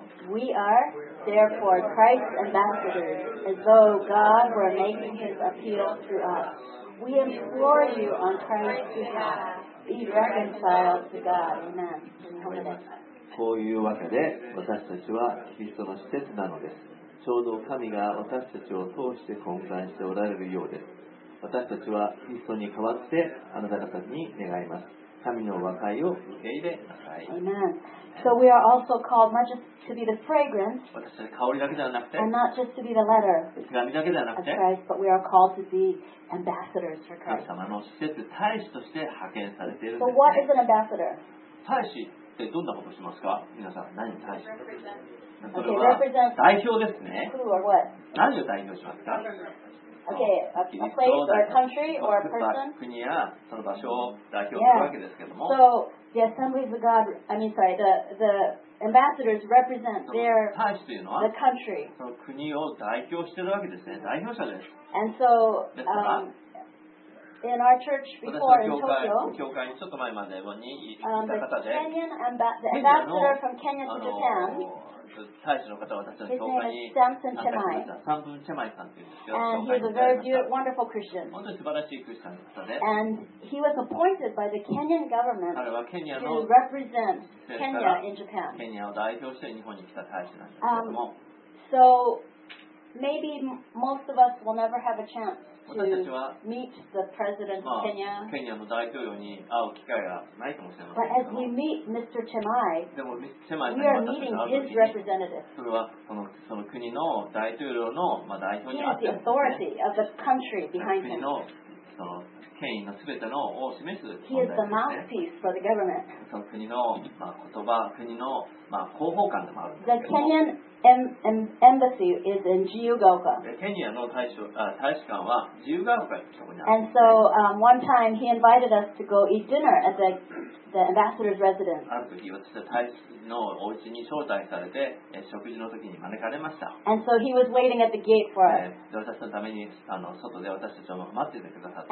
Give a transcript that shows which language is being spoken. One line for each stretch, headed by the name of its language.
English: We are, therefore, Christ's ambassadors, as though God were making his appeal through us. We implore you on Christ's behalf, be reconciled to God. Amen.
Japanese: こういうわけで私たちはキリストの使節なのです。ちょうど神が私たちを通して懇願しておられるようです。私たちはキリストに代わってあなた方に願います。神の和解を受け入れなさい。
English: Amen. So we are also called not just to be the fragrance,
Japanese: 私たちは香りだけではなくて、
English: and not just to be the letter,
Japanese: 手紙だけではなくて、
English: of Christ, but we are called to be ambassadors for Christ.
Japanese: 神様の使節、大使として派遣されているんですね。
English: So what is an ambassador?
Japanese: 大使ってどんなことしますか。皆さん何に対して、それは代表ですね。何を代表しますか。
English: Okay, a place or a country or a person.
Japanese: 国やその場所を代表するわけですけども。
English: So the assemblies of God, I mean, sorry, the ambassadors represent their the country.
Japanese: その国を代表しているわけですね。代表者です。
English: And so, in our church before in Tokyo, the ambassador from Kenya to Japan.
Japanese: 大使の方は私の教会に、サンプン・チェマイさんというんですけど、本当に素晴らしいクリスチャンの方で、
English: And he was appointed by the Kenyan government to represent Kenya in Japan.
Japanese: ケニアを代表して日本に来た大使なんですけども、
English: So maybe most of us will never have a chance to meet the president of Kenya.
Japanese: ケニアの大統領に会う機会がないかもしれません。
English: But as we meet Mr. Chemai, we are meeting his representative.
Japanese: それはその国の大統領の代表に会ってます。
English: He is the authority of the country behind him.
Japanese: 国のその権威のすべてのを示す。
English: He is the mouthpiece for the government.
Japanese: その国の国の広報官でもあるんです。
English: The Kenyan embassy is in Jiyugaoka.
Japanese: ケニアの大使館は Jiyugaoka にある。
English: And so, one time he invited us to go eat dinner at the ambassador's residence.
Japanese: ある時、私は大使のお家に招待されて、食事の時に招かれました。
English: And so he was waiting at the gate for us.
Japanese: 私のために外で私たちを待っててくださって。